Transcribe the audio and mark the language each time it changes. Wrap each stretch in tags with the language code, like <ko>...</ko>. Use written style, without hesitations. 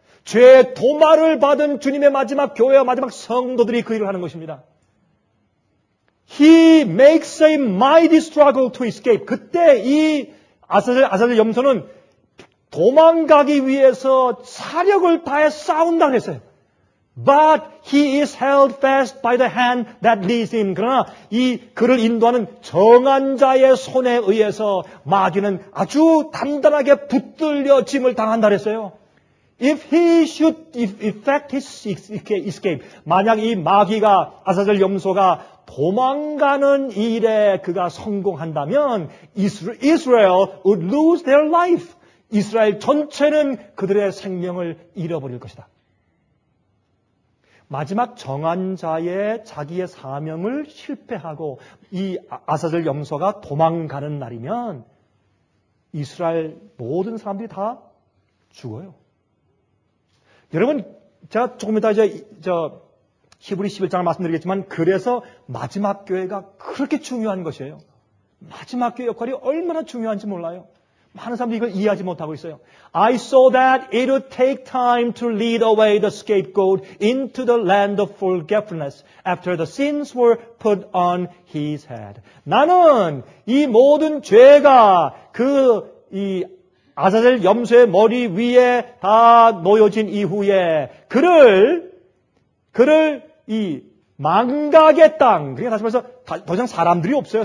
<ko>죄의 도마를 받은 주님의 마지막 교회와 마지막 성도들이 그 일을 하는 것입니다.</ko> <en>He makes a mighty struggle to escape.</en> <ko>그때 이 아사셀 염소는 도망가기 위해서 사력을 다해 싸운다 그랬어요.</ko> <en>But he is held fast by the hand that leads him.</en> <ko>그러나 이 그를 인도하는 정한 자의 손에 의해서 마귀는 아주 단단하게 붙들려 짐을 당한다 그랬어요.</ko> <en>If he should effect his escape.</en> <ko>만약 이 마귀가 아사셀 염소가 도망가는 일에 그가 성공한다면</ko> <en>Israel would lose their life.</en> <ko>이스라엘 전체는 그들의 생명을 잃어버릴 것이다. 마지막 정한 자의 자기의 사명을 실패하고 이 아사셀 염소가 도망가는 날이면 이스라엘 모든 사람들이 다 죽어요. 여러분, 제가 조금 이따 히브리 11장을 말씀드리겠지만 그래서 마지막 교회가 그렇게 중요한 것이에요. 마지막 교회 역할이 얼마나 중요한지 몰라요. 많은 사람들이 이걸 이해하지 못하고 있어요.</ko> <en>I saw that it would take time to lead away the scapegoat into the land of forgetfulness after the sins were put on his head.</en> <ko>나는 이 모든 죄가 그 이 아사셀 염소의 머리 위에 다 놓여진 이후에 그를 이 망각의 땅, 그러니까 다시 말해서 더 이상 사람들이 없어요.</ko>